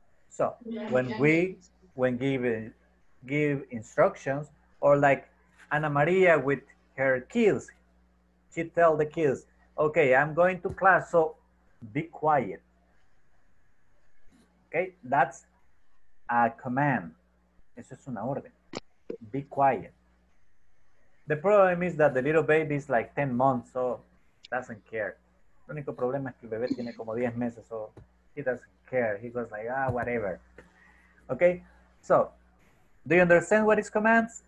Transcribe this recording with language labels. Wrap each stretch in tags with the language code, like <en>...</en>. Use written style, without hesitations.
<en>So yeah, when we give instructions, or like Ana Maria with her kids, she tell the kids, okay, I'm going to class, so be quiet. Okay, that's a command.</en> <es>Eso es una orden.</es> <en>Be quiet. The problem is that the little baby is like 10 months, so doesn't care.</en> <es>El único problema es que el bebé tiene como 10 meses,</es> <en>so he doesn't care. He goes like, whatever. Okay, so, do you understand what is commands?</en>